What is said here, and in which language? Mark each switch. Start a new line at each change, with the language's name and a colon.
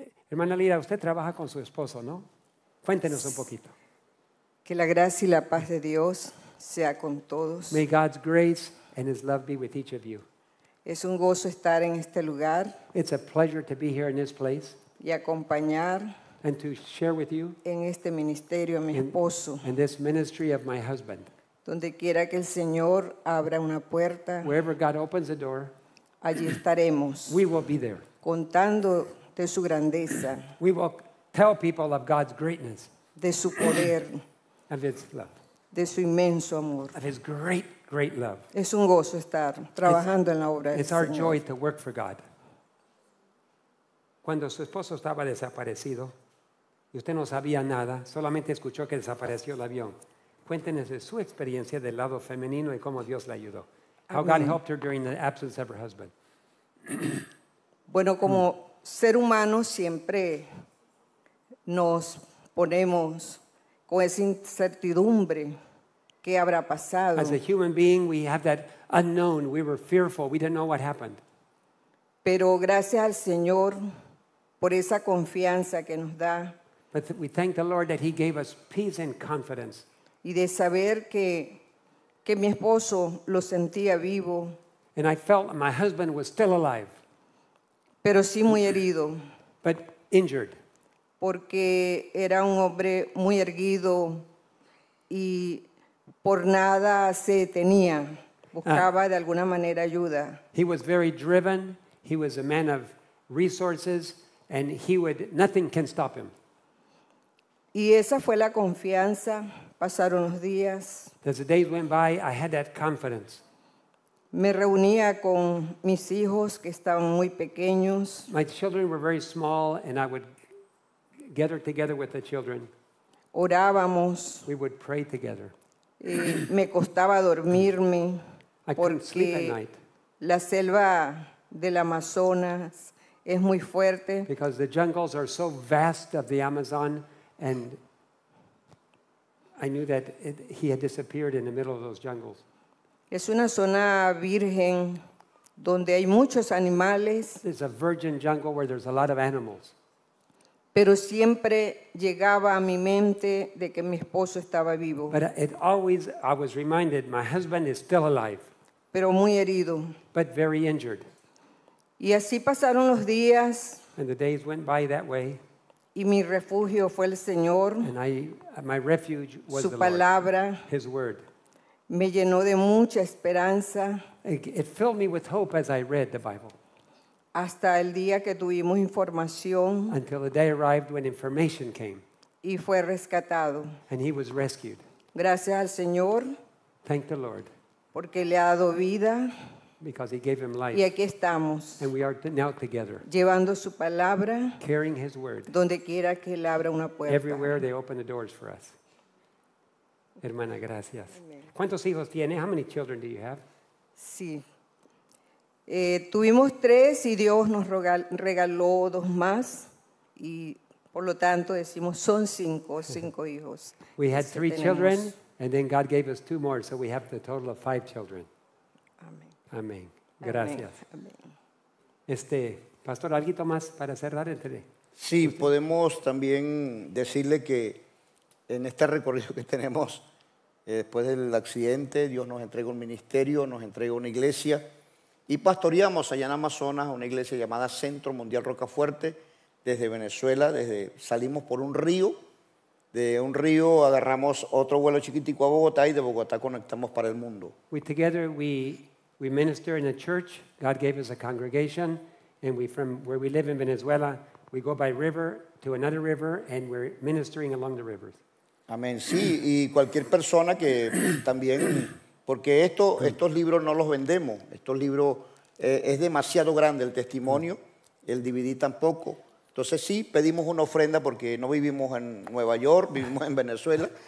Spanish: Hermana Lila, usted trabaja con su esposo, ¿no? Cuéntenos un poquito. Que la gracia y la paz de Dios sea con todos.
English: May God's grace and his love be with each of you.
Spanish: Es un gozo estar en este lugar.
English: It's a pleasure to be here in this place.
Spanish: Y acompañar
English: and to share with you
Spanish: en este ministerio a mi esposo.
English: In this ministry of my husband.
Spanish: Donde quiera que el Señor abra una puerta,
English: wherever God opens a door,
Spanish: allí estaremos.
English: We will be there.
Spanish: Contando de su grandeza.
English: We will tell people of God's greatness.
Spanish: De su poder.
English: Of his love.
Spanish: De su inmenso amor.
English: Of his great, great love.
Spanish: Es un gozo estar trabajando en la obra del
English: Señor. It's our joy to work for God.
Spanish: Cuando su esposo estaba desaparecido y usted no sabía nada, solamente escuchó que desapareció el avión. Cuéntenos de su experiencia del lado femenino y cómo Dios la ayudó.
English: How God helped her during the absence of her husband.
Spanish: Bueno, como ser humano siempre nos ponemos con esa incertidumbre. ¿Qué habrá pasado?
English: As a human being, we have that unknown. We were fearful. We didn't know what happened.
Spanish: Pero gracias al Señor por esa confianza que nos da.
English: But we thank the Lord that He gave us peace and confidence.
Spanish: Y de saber que mi esposo lo sentía vivo.
English: And I felt my husband was still alive.
Spanish: Pero sí muy herido.
English: But injured.
Spanish: Porque era un hombre muy erguido y por nada se tenía. Buscaba de alguna manera ayuda.
English: He was very driven. He was a man of resources, and nothing can stop him.
Spanish: Y esa fue la confianza. Pasaron los días.
English: As the days went by, I had that confidence.
Spanish: Me reunía con mis hijos que estaban muy pequeños.
English: My children were very small, and I would gather together with the children.
Spanish: Orábamos.
English: We would pray together.
Spanish: Y me costaba dormirme.
English: I couldn't sleep at night.
Spanish: La selva del Amazonas es muy fuerte.
English: Because the jungles are so vast of the Amazon, and I knew that he had disappeared in the middle of those jungles.
Spanish: Es una zona virgen donde hay muchos animales.
English: It's a virgin jungle where there's a lot of animals.
Spanish: Pero siempre llegaba a mi mente de que mi esposo estaba vivo.
English: But I was reminded my husband is still alive.
Spanish: Pero muy herido.
English: But very injured.
Spanish: Y así pasaron los días.
English: And the days went by that way.
Spanish: Y mi refugio fue el Señor.
English: And my refuge was
Spanish: Su palabra.
English: The Lord, His word.
Spanish: Me llenó de mucha esperanza.
English: It filled me with hope as I read the Bible.
Spanish: Hasta el día que tuvimos información.
English: Until the day arrived when information came.
Spanish: Y fue rescatado.
English: And he was rescued.
Spanish: Gracias al Señor.
English: Thank the Lord.
Spanish: Porque le ha dado vida.
English: Because he gave him life.
Spanish: Y aquí estamos.
English: And we are now together.
Spanish: Llevando su palabra.
English: Carrying his word.
Spanish: Donde quiera que él abra una puerta.
English: Everywhere they open the doors for us.
Spanish: Hermana, gracias.
English: Amen.
Spanish: ¿Cuántos hijos tiene?
English: How many children do you have?
Spanish: Sí. Tuvimos tres y Dios nos regaló dos más. Y por lo tanto decimos, son cinco hijos.
English: We had three children, and then God gave us two more, so we have the total of five children.
Spanish: Amén. Amén. Gracias. Amén. Pastor, ¿alguito más para cerrar? Sí, podemos también decirle que en este recorrido que tenemos, después del accidente, Dios nos entrega un ministerio, nos entrega una iglesia, y pastoreamos allá en Amazonas una iglesia llamada Centro Mundial Roca Fuerte, desde Venezuela, salimos por un río, de un río agarramos otro vuelo chiquitico a Bogotá y de Bogotá conectamos para el mundo.
English: We minister in a church, God gave us a congregation, and we from where we live in Venezuela, we go by river to another river, and we're ministering along the rivers.
Spanish: Amén. Sí, y cualquier persona que también, porque estos libros no los vendemos, estos libros es demasiado grande el testimonio, el DVD tampoco. Entonces sí, pedimos una ofrenda porque no vivimos en Nueva York, vivimos en Venezuela.